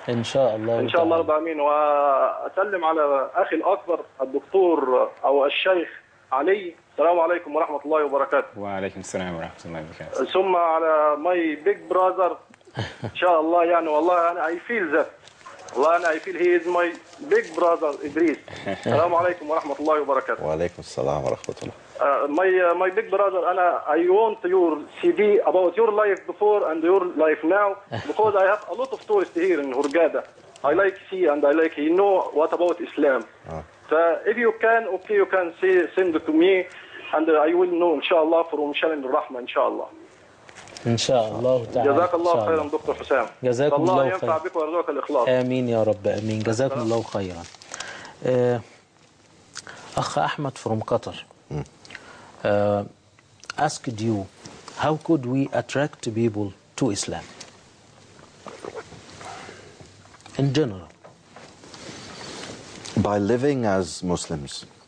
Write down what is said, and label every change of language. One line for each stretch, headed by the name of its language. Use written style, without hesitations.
Arabic: إن شاء الله. إن شاء الله رب العالمين. وأسلم على أخي الأكبر الدكتور أو الشيخ علي. السلام عليكم ورحمة الله وبركاته. وعليكم السلام ورحمة الله وبركاته. ثم على
English: my big brother
Arabic: إن شاء الله يعني والله أنا
English: I feel that.
Arabic: والله أنا
English: I feel he is my big brother إدريس.
Arabic: السلام عليكم ورحمة الله وبركاته. وعليكم السلام ورحمة الله.
English: My big brother,
Arabic: أنا
English: I want your CD about your life before and your life now because I have a lot of tourists here in Hurghada. I like see and I like you know what about Islam. So if you can, okay, you can say, send it to me and I will know inshallah from Shalim al-Rahma inshallah.
Arabic: إن شاء الله تعالى. جزاك الله خيرا دكتور حسام. جزاك الله خيرا. الله ينفع بك ويرزقك الإخلاص. آمين يا رب آمين. جزاك الله خيرا. أخ أحمد from قطر.
English: Asked you, how could we attract people to Islam in general? By living as Muslims.